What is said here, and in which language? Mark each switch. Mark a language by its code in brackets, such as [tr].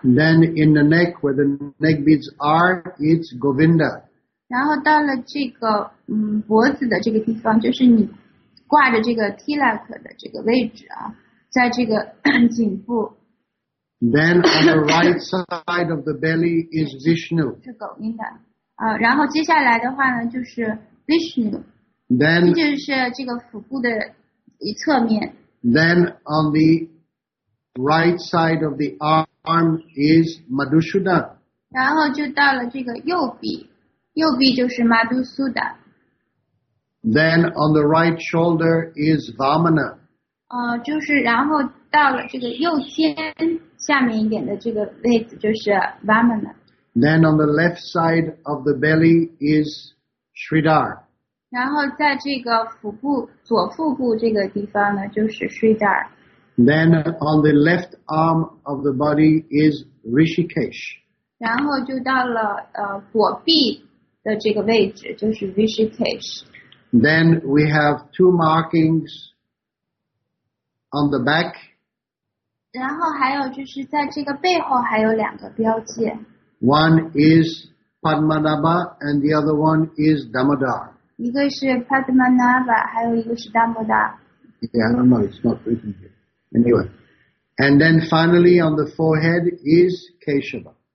[en] Then in the neck where the neck beads are, it's Govinda. [zh] 然后到了这个脖子的这个地方，就是你挂着这个 tilak 的这个位置啊，在这个颈部。 [en] Then on the right side of the belly is Vishnu. [zh] 是狗音的啊。然后接下来的话呢，就是 Vishnu. [en] Then [zh] 就是这个腹部的一侧面。 [en] Then on the right side of the arm is Madhusudan. [zh] 然后就到了这个右臂。右臂就是 Madhusuda. [en] Then on the right shoulder is Vamana. [zh] 就是然后到了这个右肩下面一点的这个位置就是 Vamana. [en] Then on the left side of the belly is Sridhar. [zh] 然后在这个腹部左腹部这个地方呢就是 Sridhar. [en] Then on the left arm of the body is Rishikesh. [zh] 然后就到了左臂的这个位置就是 Rishikesh. [en] Then we have two markings on the back. [zh] 然后还有就是在这个背后还有两个标记。 [en] One is Padmanabha and the other one is Damodar. [zh] 一个是 Padmanabha, 还有一个是 Damodar. [en] Yeah, I don't know, it's not written here. Anyway. And then finally on the forehead is Keshava.